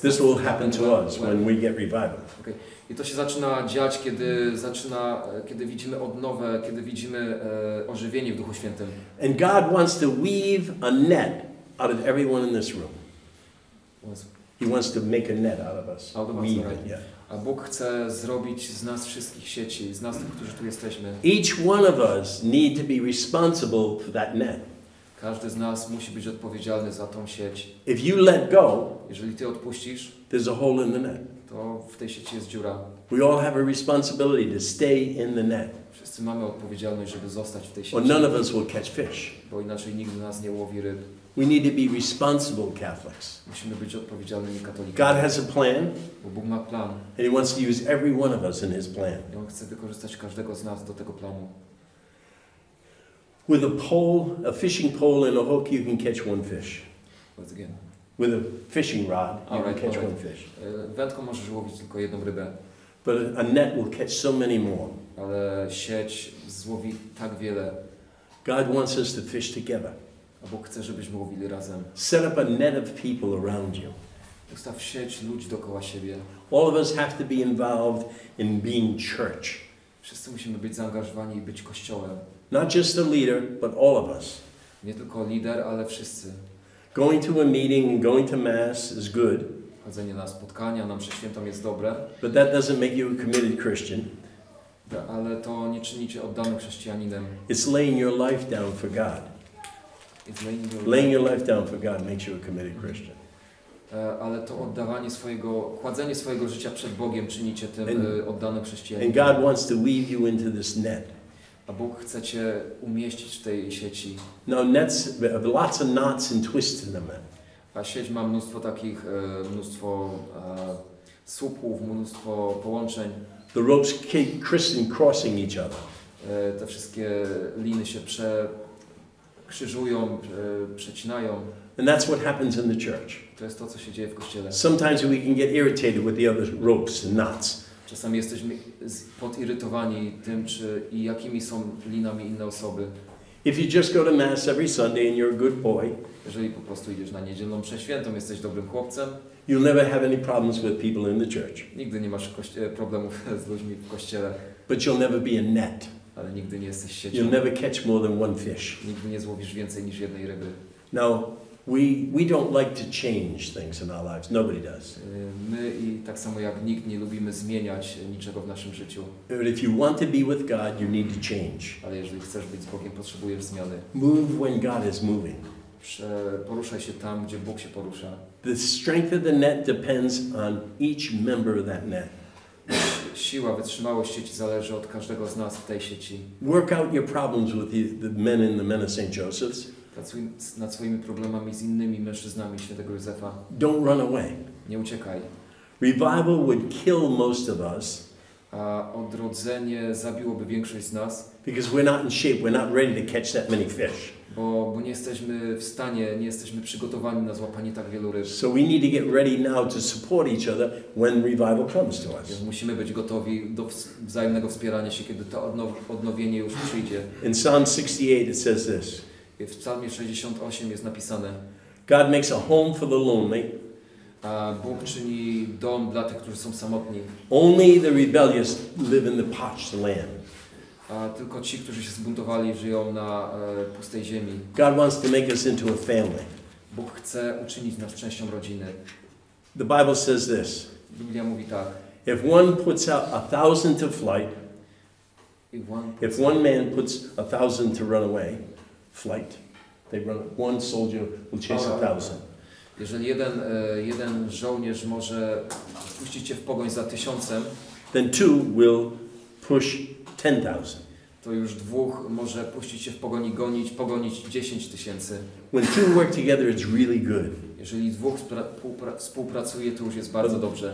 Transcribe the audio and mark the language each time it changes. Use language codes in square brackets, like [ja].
[en] this will happen to us when we get revival. Okay. [pl] I to się zaczyna dziać, kiedy widzimy odnowę, kiedy widzimy ożywienie w Duchu Świętym. [en] And God wants to weave a net out of everyone in this room. He wants to make a net out of us. Weave it, yeah. [pl] A Bóg chce zrobić z nas wszystkich sieci, z nas tych, którzy tu jesteśmy. [en] Each one of us need to be responsible for that net. [pl] Każdy z nas musi być odpowiedzialny za tą sieć. [en] If you let go, [pl] jeżeli ty odpuścisz, [en] there's a hole in the net. [pl] To w tej sieci jest dziura. [en] We all have a responsibility to stay in the net. [pl] Wszyscy mamy odpowiedzialność, żeby zostać w tej sieci. [en] Or none of us will catch fish. [pl] Bo inaczej nikt z nas nie łowi ryb. [en] We need to be responsible Catholics. [pl] Musimy być odpowiedzialni katolikami. [en] God has a plan. [pl] Bo Bóg ma plan. [en] And he wants to use every one of us in his plan. [pl] I on chce wykorzystać każdego z nas do tego planu. [en] With a pole, a fishing pole and a hook, you can catch one fish. Once again. With a fishing rod, you can catch one fish. [pl] Wędką możesz łowić tylko jedną rybę. [en] But a net will catch so many more. [pl] Ale sieć złowi tak wiele. [en] God wants us to fish together. [pl] A Bóg chce, żebyśmy łowili razem. [en] Set up a net of people around you. [pl] Ustaw sieć ludzi dookoła siebie. [en] All of us have to be involved in being church. [pl] Wszyscy musimy być zaangażowani i być kościołem. [en] Not just the leader, but all of us. [pl] Nie tylko lider, ale wszyscy. [en] Going to a meeting and going to mass is good. [pl] Chodzenie na spotkania, na mszę świętą jest dobre. [en] But that doesn't make you a committed Christian. [pl] ale to nie czyni cię oddanym chrześcijaninem. [en] It's laying your life down for God. It's laying your, life down for God makes you a committed Christian. [pl] Ale to oddawanie swojego, kładzenie swojego życia przed Bogiem czyni cię tym oddanym chrześcijaninem. [en] And God wants to weave you into this net. [pl] A Bóg chce cię umieścić w tej sieci. [en] No, nets have lots of knots and twists in them. [pl] A sieć ma mnóstwo takich, mnóstwo słupów, mnóstwo połączeń. [en] The ropes keep crisscrossing each other. [pl] Te wszystkie liny się przekrzyżują, przecinają. [en] And that's what happens in the church. [pl] To jest to, co się dzieje w kościele. [en] Sometimes we can get irritated with the other ropes and knots. [pl] Czasami jesteśmy podirytowani tym, czy i jakimi są linami inne osoby. [en] If you just go to mass every Sunday and you're a good boy, [pl] jeżeli po prostu idziesz na niedzielną mszę świętą, jesteś dobrym chłopcem, [en] you'll never have any problems with people in the church. [pl] Nigdy nie masz problemów z ludźmi w kościele. [en] But you'll never be a net. [pl] Ale nigdy nie jesteś siecią. [en] You'll never catch more than one fish. [pl] Nigdy nie złowisz więcej niż jednej ryby. [en] Now, we don't like to change things in our lives. Nobody does. [pl] My i tak samo jak nikt nie lubimy zmieniać niczego w naszym życiu. [en] But if you want to be with God, you need to change. [pl] Ale jeżeli chcesz być z Bogiem, potrzebujesz zmiany. [en] Move when God is moving. [pl] Poruszaj się tam, gdzie Bóg się porusza. [en] The strength of the net depends on each member of that net. [pl] Siła, wytrzymałość sieci zależy od każdego z nas w tej sieci. [en] Work out your problems with the men in the men of St. Joseph's. [pl] Pracuj nad swoimi problemami z innymi mężczyznami świętego Józefa. [en] Don't run away. [pl] Nie uciekaj. [en] Revival would kill most of us. [pl] A odrodzenie zabiłoby większość z nas. [en] Because we're not in shape, we're not ready to catch that many fish. [pl] Bo nie jesteśmy w stanie, nie jesteśmy przygotowani na złapanie tak wielu ryb. [en] So we need to get ready now to support each other when revival comes to us. [pl] Musimy być gotowi do wzajemnego wspierania się, kiedy to odnowienie już przyjdzie. [en] In Psalm 68 it says this. [pl] W Psalmie 68 jest napisane: [en] God makes a home for the lonely. [pl] A Bóg czyni dom dla tych, którzy są samotni. [en] Only the rebellious live in the parched land. [pl] A tylko ci, którzy się zbuntowali, żyją na pustej ziemi. [en] God wants to make us into a family. [pl] Bóg chce uczynić nas częścią rodziny. [en] The Bible says this. [pl] Biblia mówi tak. [en] If one puts out a thousand to flight, if one man puts a thousand to run away, flight, they run. One soldier will chase a thousand. [pl] Jeżeli jeden żołnierz może puścić cię w pogoń za tysiącem, [en] then two will push 10,000. [pl] To już dwóch może puścić się w pogoń i pogonić 10,000. [en] When two work together, it's really good. [pl] Jeżeli dwóch współpracuje, to już jest bardzo dobrze.